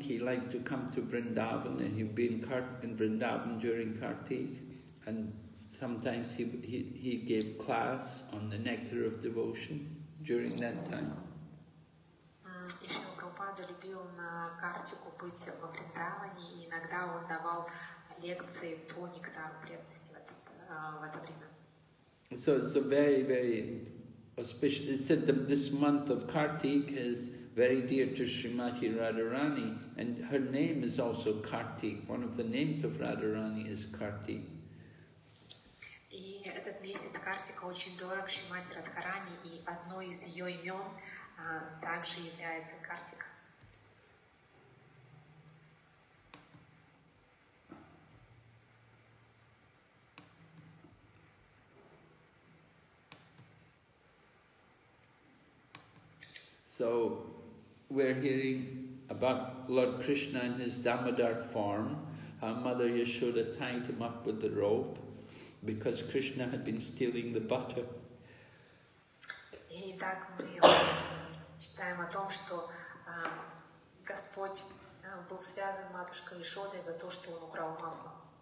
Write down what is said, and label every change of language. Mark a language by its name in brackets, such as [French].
[English] He liked to come to Vrindavan, and he'd be in Vrindavan during Kartik, and sometimes he gave class on the nectar of devotion during that time. [Russian] И Шрила Прабхупада любил на Картику быть во Вриндаване, и иногда он давал лекции по нектару преданности в это время. [English] So it's a very, very auspicious. It said that this month of Kartik is very dear to Srimati Radharani, and her name is also Kartik. One of the names of Radharani is Kartik. [Russian] И этот месяц Картика очень дорог Шримати Радхарани, и одно из ее имен также является Картика. [English] So we're hearing about Lord Krishna in his Damodar form, how Mother Yashoda tied him up with the rope because Krishna had been stealing the butter. [Russian] Итак, мы читаем о том, что Господь был связан матушкой Яшодой за то, что он украл масло.